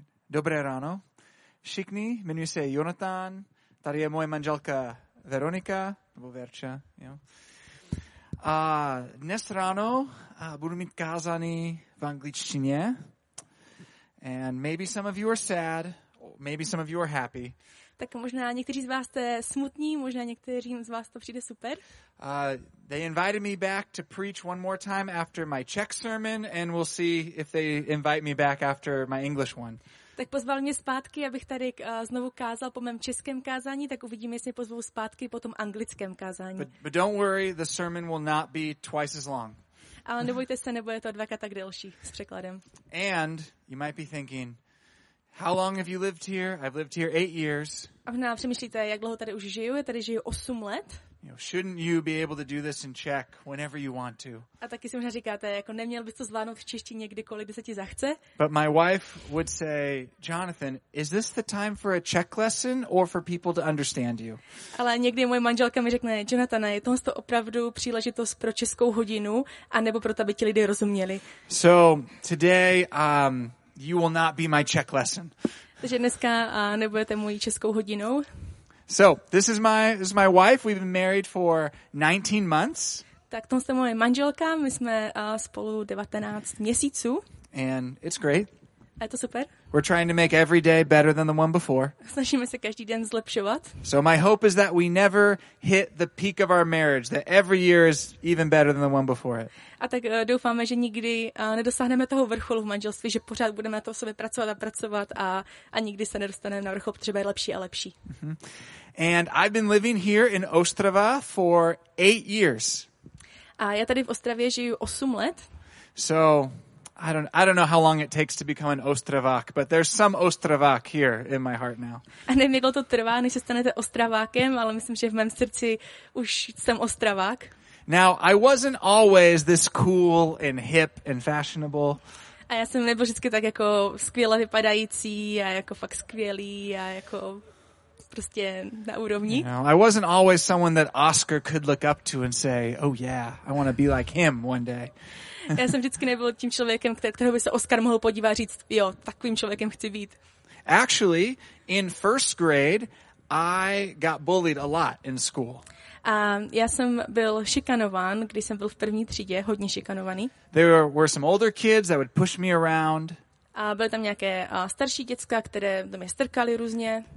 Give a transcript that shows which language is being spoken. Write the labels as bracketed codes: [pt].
[cs] Dobré ráno. Všichni, jmenuji se Jonatán, tady je moje manželka Veronika, nebo Verča, jo. A dnes ráno budu mít kázání v angličtině. [en] And maybe some of you are sad, maybe some of you are happy. [cs] Tak možná někteří z vás jste smutní, možná někteří z vás to přijde super. [en] They invited me back to preach one more time after my Czech sermon and we'll see if they invite me back after my English one. [cs] Tak pozval mě zpátky, abych tady znovu kázal po mém českém kázání, tak uvidíme, jestli mě pozvou zpátky po tom anglickém kázání. [en] But don't worry, the sermon will not be twice as long. [cs] Ale nebojte se, nebude to dvakrát tak delší s překladem. [en] And you might be thinking, how long have you lived here? I've lived here 8 years. [cs] A možná přemýšlíte, jak dlouho tady už žiju? Já tady žiju 8 let. [en] You know, shouldn't you be able to do this in Czech whenever you want to? [cs] A taky si možná říkáte, jako neměl bys to zvládnout v češtině kdykoliv, kdy se ti zachce? [en] But my wife would say, Jonathan, is this the time for a Czech lesson or for people to understand you? [cs] Ale někdy moje manželka mi řekne, Jonathane, je tohle to opravdu příležitost pro českou hodinu a nebo pro to, aby ti lidé rozuměli? [en] So today you will not be my Czech lesson. [cs] Takže dneska nebudete mojí českou hodinou. [en] So, this is my wife. We've been married for 19 months. [cs] Tak to je moje manželka. My jsme spolu 19 měsíců. [en] And it's great. [cs] A je to super. [en] We're trying to make every day better than the one before. [cs] Snažíme se každý den zlepšovat. [en] So my hope is that we never hit the peak of our marriage, that every year is even better than the one before it. [cs] A tak doufáme, že nikdy nedosáhneme toho vrcholu v manželství, že pořád budeme na to sobě pracovat a nikdy se nedostaneme na vrchol, protože je lepší a lepší. [en] And I've been living here in Ostrava for 8 years. [cs] A já tady v Ostravě žiju 8 let. [en] So I don't know how long it takes to become an Ostravák, but there's some Ostravák here in my heart now. [cs] A nevím, jak to trvá, než se stanete Ostravákem, ale myslím, že v mém srdci už jsem Ostravák. [en] Now, I wasn't always this cool and hip and fashionable. [cs] A já jsem nebyl vždycky tak jako skvěle vypadající a jako fakt skvělý a jako prostě na úrovni. [en] You know, I wasn't always someone that Oscar could look up to and say, oh yeah, I want to be like him one day. [cs] Já jsem vždycky nebyl tím člověkem, kterého by se Oscar mohl podívat a říct, jo, takovým člověkem chci být. [en] Actually, in first grade, I got bullied a lot in school. [cs] Já jsem byl šikanován, když jsem byl v první třídě, hodně šikanovaný. [en] There were some older kids that would push me around. [cs] A byly tam nějaké starší děcka, které do mě strkali různě.